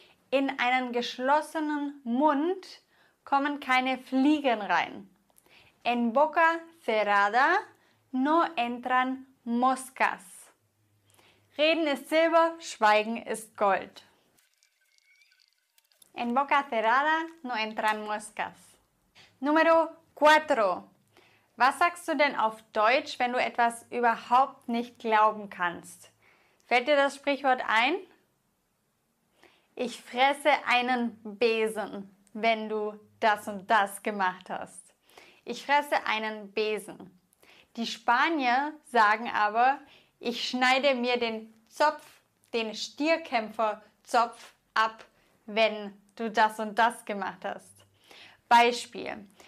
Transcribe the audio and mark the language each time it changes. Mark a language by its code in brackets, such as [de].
[de] In einen geschlossenen Mund kommen keine Fliegen rein. [es] En boca cerrada no entran moscas. [de] Reden ist Silber, Schweigen ist Gold. [es] En boca cerrada no entran moscas. Número 4. [de] Was sagst du denn auf Deutsch, wenn du etwas überhaupt nicht glauben kannst? Fällt dir das Sprichwort ein? Ich fresse einen Besen, wenn du das und das gemacht hast. Ich fresse einen Besen. Die Spanier sagen aber, ich schneide mir den Zopf, den Stierkämpferzopf ab, wenn du das und das gemacht hast. Beispiel.